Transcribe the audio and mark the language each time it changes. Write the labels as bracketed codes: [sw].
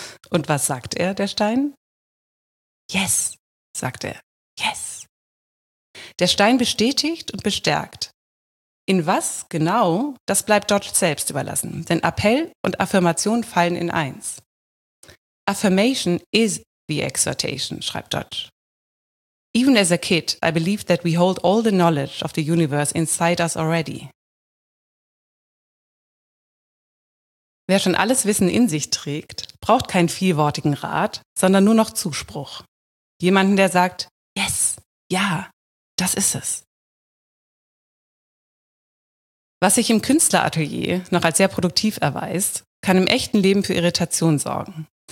[de] Und was sagt er, der Stein? Yes, sagt er. Yes. Der Stein bestätigt und bestärkt. In was genau, das bleibt Dodge selbst überlassen, denn Appell und Affirmation fallen in eins. [en] Affirmation is the exhortation, [de] schreibt Dodge. [en] Even as a kid, I believed that we hold all the knowledge of the universe inside us already. [de] Wer schon alles Wissen in sich trägt, braucht keinen vielwortigen Rat, sondern nur noch Zuspruch. Jemanden, der sagt, yes, ja, das ist es. Was sich im Künstleratelier noch als sehr produktiv erweist, kann im echten Leben für Irritation sorgen.